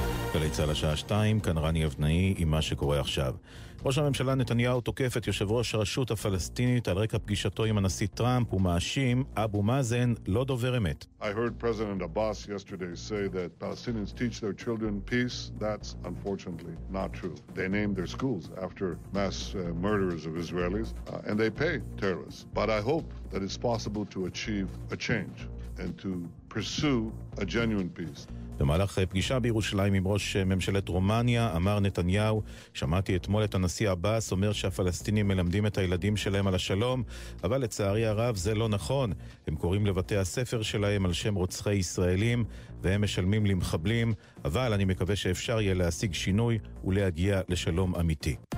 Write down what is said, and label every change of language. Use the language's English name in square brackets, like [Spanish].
[Hebrew] Galei Tzahal, השעה 2, כאן רני אבנאי, עם מה שקורה עכשיו. ראש הממשלה נתניהו תוקף את יושב ראש הרשות הפלסטינית על רקע פגישתו עם הנשיא טראמפ ומאשים אבו מאזן לא דובר אמת. [English] I heard President Abbas yesterday say that Palestinians teach their children peace. That's unfortunately not true. They name their schools after mass murderers of Israelis and they pay terrorists. But I hope that it's possible to achieve a change and to pursue a genuine peace. [Hebrew] במהלך פגישה בירושלים עם ראש ממשלת רומניה, אמר נתניהו, שמעתי אתמול את הנשיא אבאס אומר שהפלסטינים מלמדים את הילדים שלהם על השלום, אבל לצערי הרב זה לא נכון. הם קוראים לבתי הספר שלהם על שם רוצחי ישראלים, והם משלמים למחבלים, אבל אני מקווה שאפשר יהיה להשיג שינוי ולהגיע לשלום אמיתי.